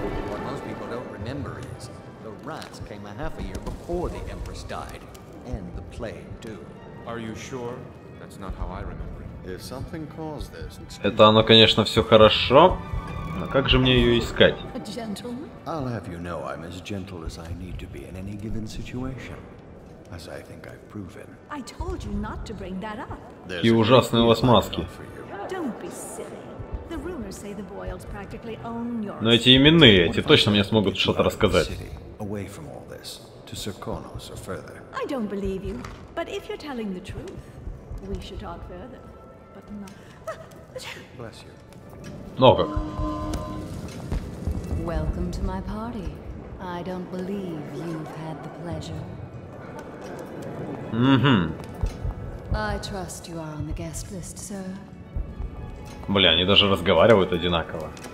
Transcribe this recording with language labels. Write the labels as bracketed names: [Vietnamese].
[English] What most people don't remember is the rats came a half a year before the Empress died, and the plague too. Are you sure? That's not how I remember. If something caused this. [Russian] Это оно, конечно, все хорошо, но как же мне ее искать? [English] A gentleman? I'll have you know I'm as gentle as I need to be in any given situation. As I think I've proven. I told you not to bring that up. [Russian] Какие ужасные у вас маски. [English] Don't be silly. The rumors say the Boyles practically own your... [Russian] Но эти именные, эти точно мне смогут что-то рассказать. [English] Away from all this, to Sirkonos or further. I don't believe you, but if you're telling the truth, we should talk further. But not... Bless you. [Russian] Ну как? [English] Welcome to my party. I don't believe you've had the pleasure. Угу. I trust you are on the guest list, sir. [Russian] Бля, они даже разговаривают одинаково.